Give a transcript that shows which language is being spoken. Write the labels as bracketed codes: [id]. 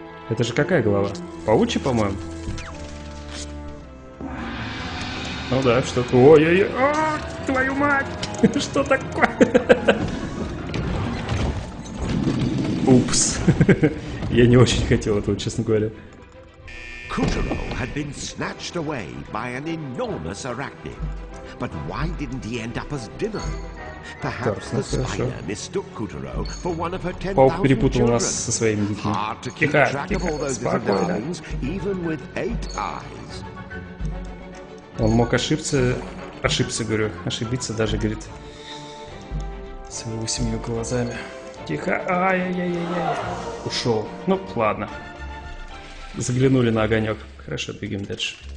[ru] Это же какая голова? Паучи, по-моему? Ну да, что-то... Ой-ой-ой! Твою мать! Что такое? Упс. Я не очень хотел этого, честно говоря. [en] Кутеро had been snatched away by an enormous arachnid. But why didn't he end up as dinner? Perhaps the spider mistook Kutero for one of her 10,000 children. Even with 8 eyes. [ru] Он мог ошибиться, даже говорит. С 8 глазами. Тихо. Ай-яй-яй-яй. Ушел. Ну, ладно. Заглянули на огонек. Хорошо, бегим дальше.